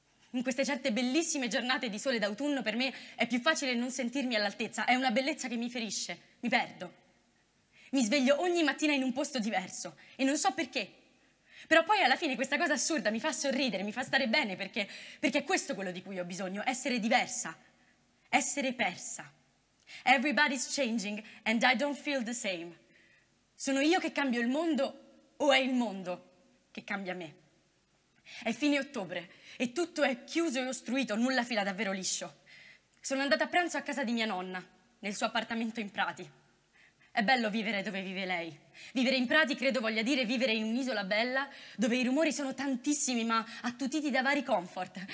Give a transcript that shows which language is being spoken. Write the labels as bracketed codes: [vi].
[it] In queste certe bellissime giornate di sole d'autunno per me è più facile non sentirmi all'altezza. È una bellezza che mi ferisce, mi perdo. Mi sveglio ogni mattina in un posto diverso e non so perché. Però poi alla fine questa cosa assurda mi fa sorridere, mi fa stare bene perché è questo quello di cui ho bisogno, essere diversa, essere persa. [en] Everybody's changing and I don't feel the same. [it] Sono io che cambio il mondo o è il mondo che cambia me? È fine ottobre e tutto è chiuso e ostruito, nulla fila davvero liscio. Sono andata a pranzo a casa di mia nonna, nel suo appartamento in Prati. È bello vivere dove vive lei. Vivere in Prati credo voglia dire vivere in un'isola bella dove i rumori sono tantissimi ma attutiti da vari comfort.